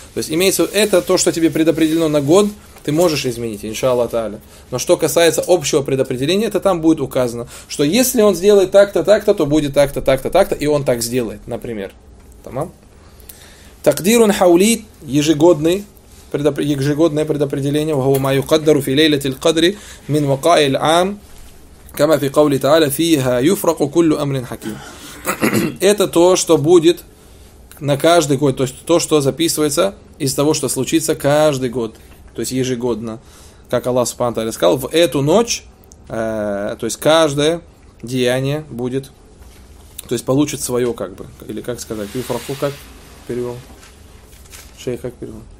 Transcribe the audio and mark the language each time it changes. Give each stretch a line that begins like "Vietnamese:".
Russian: То есть имеется в виду, это то, что тебе предопределено на год, ты можешь изменить, иншалла та'аля. Но что касается общего предопределения, это там будет указано, что если он сделает так-то, так-то, то будет так-то, так-то, так-то, и он так сделает, например. Тамам? Такдирун хаули, ежегодный. Ежегодное предопределение,
Arabic: وهو ما يقدر في ليلة القدر من وقائع العام كما في قوله تعالى فيها يفرق كل أمر حكيم.
Russian: Это то, что будет на каждый год, то есть то, что записывается из того, что случится каждый год, то есть ежегодно, как Аллах Субхану Тааля сказал, в эту ночь, то есть каждое деяние будет, то есть получит свое, как бы, или как сказать, юфраку, как перевел шейх, как перевел?